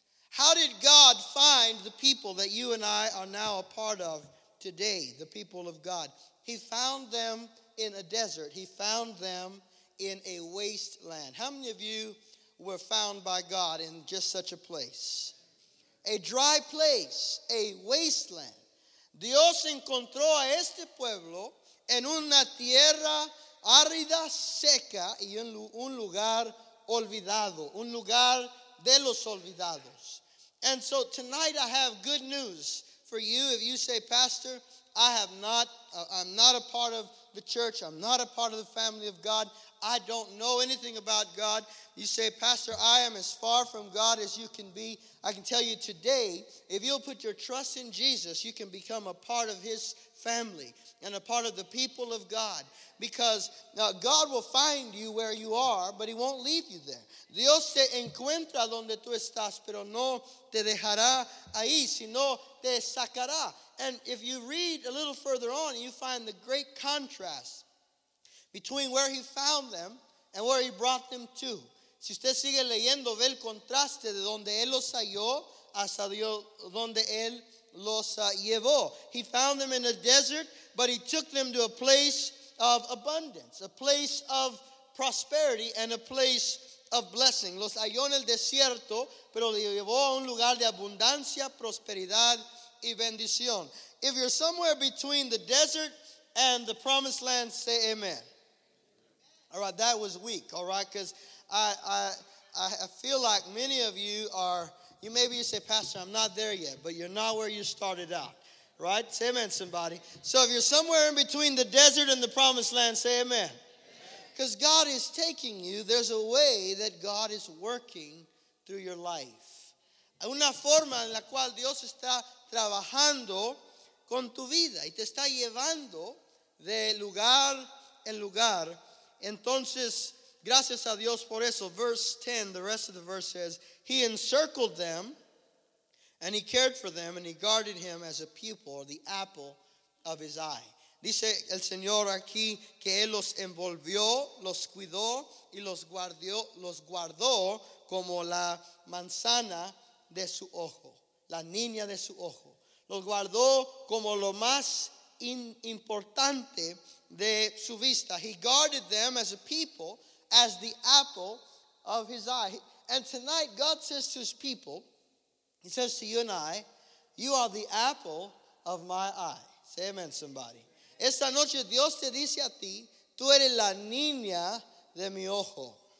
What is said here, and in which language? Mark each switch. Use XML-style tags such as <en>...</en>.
<en>How did God find the people that you and I are now a part of today, the people of God? He found them in a desert. He found them in a wasteland. How many of you were found by God in just such a place? A dry place, a wasteland.</en> <es>Dios encontró a este pueblo en una tierra árida, seca, y en un lugar olvidado, un lugar de los olvidados.</es> <en>And so tonight I have good news for you. If you say, Pastor, I'm not a part of the church. I'm not a part of the family of God. I don't know anything about God. You say, Pastor, I am as far from God as you can be. I can tell you today, if you'll put your trust in Jesus, you can become a part of his family and a part of the people of God. Because now God will find you where you are, but he won't leave you there.</en> <es>Dios te encuentra donde tú estás, pero no te dejará ahí, sino te sacará.</es> <en>And if you read a little further on, you find the great contrast between where he found them and where he brought them to.</en> <es>Si usted sigue leyendo, ve el contraste de donde él los halló hasta donde él los llevó.</es> <en>He found them in a desert, but he took them to a place of abundance, a place of prosperity, and a place of blessing.</en> <es>Los halló en el desierto, pero los llevó a un lugar de abundancia, prosperidad, y bendición.</es> <en>If you're somewhere between the desert and the promised land, say amen. All right, that was weak, all right, because I feel like many of you are, you say, Pastor, I'm not there yet, but you're not where you started out, right? Say amen, somebody. So if you're somewhere in between the desert and the promised land, say amen. Because God is taking you. There's a way that God is working through your life.</en> <es>Una forma en la cual Dios está trabajando con tu vida y te está llevando de lugar en lugar. Entonces, gracias a Dios por eso.</es> <en>Verse 10, the rest of the verse says, he encircled them and he cared for them and he guarded him as a pupil, or the apple of his eye.</en> <es>Dice el Señor aquí que él los envolvió, los cuidó y los guardó como la manzana de su ojo, la niña de su ojo. Los guardó como lo más importante de su vista.</es> <en>He guarded them as a people, as the apple of his eye. And tonight God says to his people, he says to you and I, you are the apple of my eye. Say amen, somebody.</en> <es>Esta noche Dios te dice a ti, tú eres la niña de mi ojo.</es>